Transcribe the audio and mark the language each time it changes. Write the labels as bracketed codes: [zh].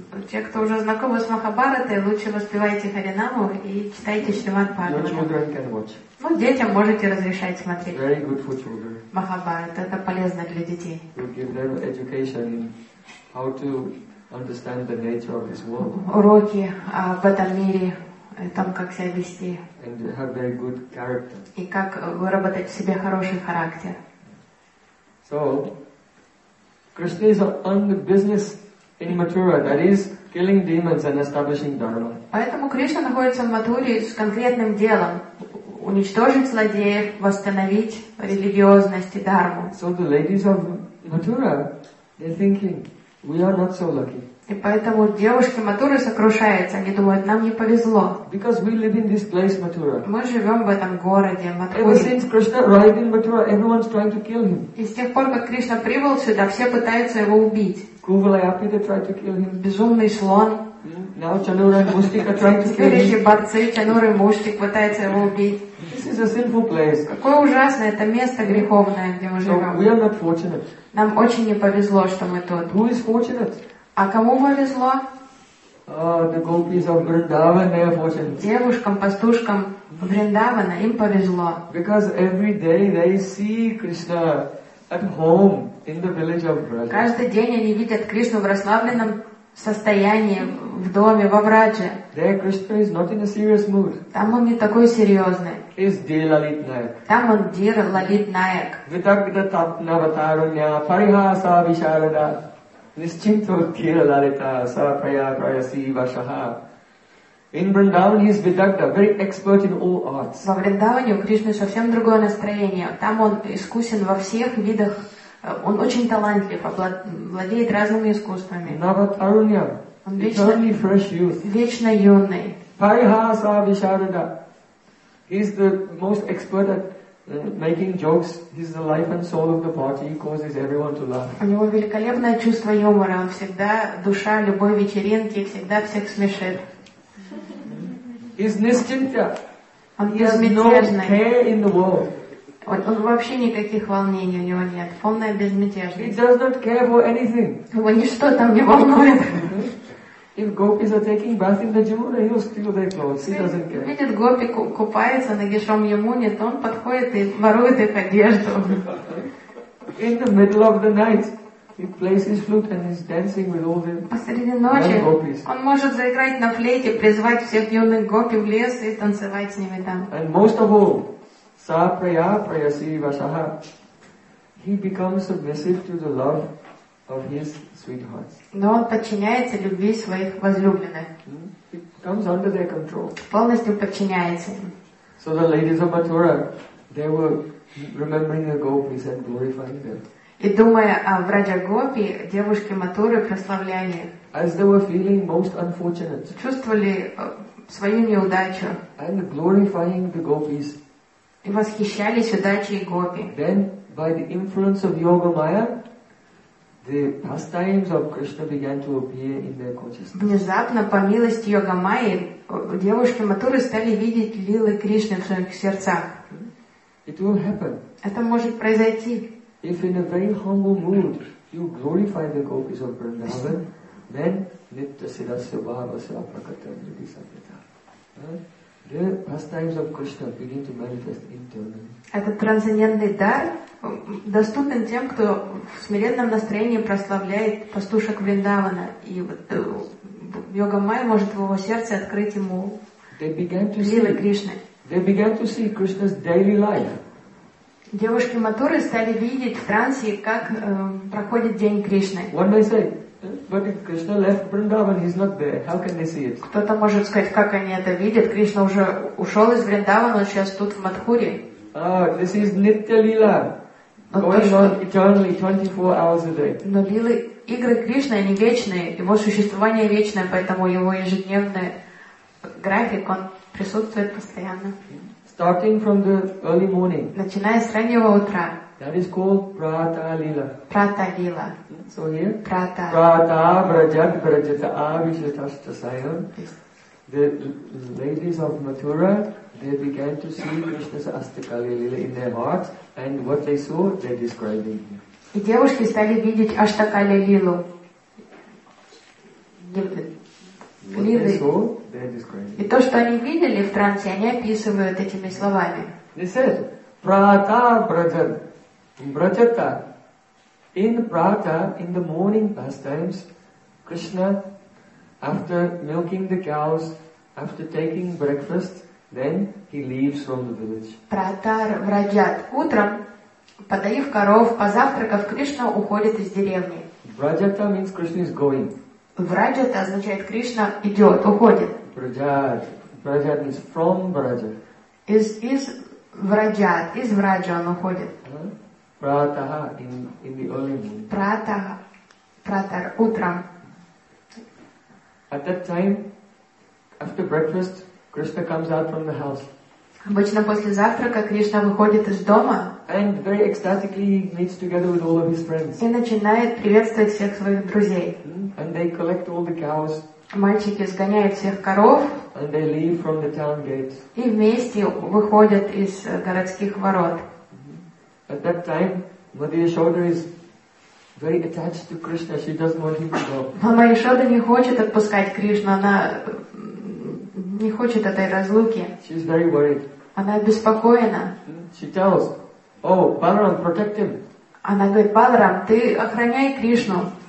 [ru] Те, кто уже знакомы с Махабхаратой, лучше воспевайте Харинаму и читайте Шримад Бхагаватам. Ну, детям можете разрешать смотреть. [en] Very good for children. [ru] Махабхарата это полезно для детей. [en] You give them education in how to understand the nature of this world. [ru] Уроки об этом мире. И там как себя вести. [en] And have very good character. [ru] И как выработать в себе хороший характер. [en] So, Krishna is on the business in Mathura, that is, killing demons and establishing dharma. [ru] Поэтому Кришна находится в Матуре с конкретным делом: уничтожить злодеев, восстановить религиозность и дарму. [en] So the ladies of Mathura, they're thinking, we are not so lucky. [ru] И поэтому девушки Матуры сокрушаются. Они думают, нам не повезло. [en] Because we live in this place, Mathura. [ru] Мы живем в этом городе, Матуре. [en] Ever since Krishna arrived in Mathura, everyone's trying to kill him. [ru] И с тех пор, как Кришна прибыл сюда, все пытаются его убить. [en] Кувалаяпита tried to kill him. [ru] Безумный слон. [en] Now Chanura and Mushtika trying to kill him. [ru] Теперь эти борцы, Чанура и Муштик, пытаются его убить. [en] This is a sinful place. [ru] Какое ужасное это место греховное, где мы живем. [en] So we are not fortunate. [ru] Нам очень не повезло, что мы тут. [en] Who is fortunate? [ru] А кому повезло? [en] The gopis of Vrindavan, they are fortunate. [ru] Девушкам, пастушкам Вриндавана, им повезло. [en] Because every day they see Krishna at home in the village of Vrindavan. [ru] Каждый день они видят Кришну в расслабленном состоянии в доме, во врадже. [en] There Krishna is not in a serious mood. [ru] Там он не такой серьезный. [en] Is dilalitnayak. [ru] Там он dilalitnayak. [sa] Vidagda tapnavataranya parihasa visharada. Nischinto dilalita sarapaya prayasi vashaha. [en] In Vrindavan he is vidagda, very expert in all arts. [ru] Во Вриндаване у Кришны совсем другое настроение. Там он искусен во всех видах. Он очень талантлив, владеет разными искусствами. [en] Navatarunya, eternally fresh youth. [ru] Вечно юный. [sa] Parihasa Visharada. [en] He is the most expert at making jokes. He is the life and soul of the party. He causes everyone to laugh. [ru] У него великолепное чувство юмора. Он всегда душа любой вечеринки, всегда всех смешит. [en] Is nischintya. [ru] Он безмятежный. [en] He has no care in the world. [ru] Он вообще никаких волнений у него нет. Полная безмятежность. [en] It does not care for anything. [ru] Его ничто там не волнует. [en] If gopis are taking bath in the Yamuna, he'll steal their clothes. He doesn't care. [ru] Видит, гопи купается на Гишом Ямуне, то он подходит и ворует их одежду. [en] In the middle of the night, he plays his flute and is dancing with all the [ru] посреди ночи он может заиграть на флейте, призвать всех юных гопи в лес и танцевать с ними там. [en] And most of all, [sa] Sa praya prayasi vasaha. [en] He becomes submissive to the love of his sweethearts. [ru] Но он подчиняется любви своих возлюбленных. [en] He comes under their control. [ru] Полностью подчиняется. [en] So the ladies of Mathura, they were remembering the gopis and glorifying them. [ru] И думая о Враджа Гопи, девушки Матуры прославляли. [en] As they were feeling most unfortunate. [ru] Чувствовали свою неудачу. [en] And glorifying the gopis. [ru] И восхищались удачей гопи. [en] Then, by the influence of Yoga Maya, the pastimes of Krishna began to appear in their consciousness. [ru] Внезапно, по милости Йога Майи, девушки Матуры стали видеть лилы Кришны в своих сердцах. [en] It will happen. [ru] Это может произойти. [en] If in a very humble mood you glorify the gopis of Vrindavan, then [sa] nitya siddhasya bhavasya prakatyamriti sanyata. [en] The pastimes of Krishna begin to manifest internally. [ru] Этот трансцендентный дар доступен тем, кто в смиренном настроении прославляет пастушек Вриндавана. И вот Йога Майя может в его сердце открыть ему лилы Кришны. [en] They began to see Krishna's daily life. [ru] Девушки Матуры стали видеть в трансе, как проходит день Кришны. [en] What they say? But if Krishna left Vrindavan, he's not there. How can they see it? [ru] Кто-то может сказать, как они это видят? Кришна уже ушел из Вриндавана, он сейчас тут в Матхуре. [en] Ah, this is nitya lila. Going on eternally, 24 hours a day. [ru] Но лилы, игры Кришны, они вечные. Его существование вечное, поэтому его ежедневный график, он присутствует постоянно. [en] Starting from the early morning. [ru] Начиная с раннего утра. [en] That is called Prata-lila. [sa] Prata-lila. [en] So here? [sa] Prata. Prata-vrajat-vrajata-avishyatashtasayam. [en] The ladies of Mathura, they began to see Krishna's Ashtakali-lila in their hearts, and what they saw, they're describing here. [ru] И девушки стали видеть Ashtakali-lilu. [en] What they saw, they're describing. [ru] И то, что они видели в трансе, они описывают этими словами. [en] They said, Prata-vrajat. Vrajata, in Prata, in the morning pastimes, Krishna, after milking the cows, after taking breakfast, then he leaves from the village. [sa] Prata Vrajat. [ru] Утром, подоив коров, позавтракав, Кришна уходит из деревни. [en] Vrajata means Krishna is going. [ru] Vrajata означает Кришна идет, уходит. [en] Vrajat. Vrajat means from Vraja. [ru] Is Vrajat. Из Vraja он уходит. [en] Pratah in the early morning. [ru] Pratah, pratar, утром. [en] At that time, after breakfast, Krishna comes out from the house. [ru] Обычно после завтрака Кришна выходит из дома. [en] And very ecstatically he meets together with all of his friends. [ru] И начинает приветствовать всех своих друзей. [en] And they collect all the cows. [ru] Мальчики сгоняют всех коров. [en] And they leave from the town gates. [ru] И вместе выходят из городских ворот. [en] At that time, Mother Yashoda is very attached to Krishna. She doesn't want him to go. [ru] Мама Яшода не хочет отпускать Кришну. Она не хочет этой разлуки. [en] She is very worried. [ru] Она обеспокоена. [en] She tells, "Oh, Balaram, protect him." [ru] Она говорит, Баларам, ты охраняй Кришну.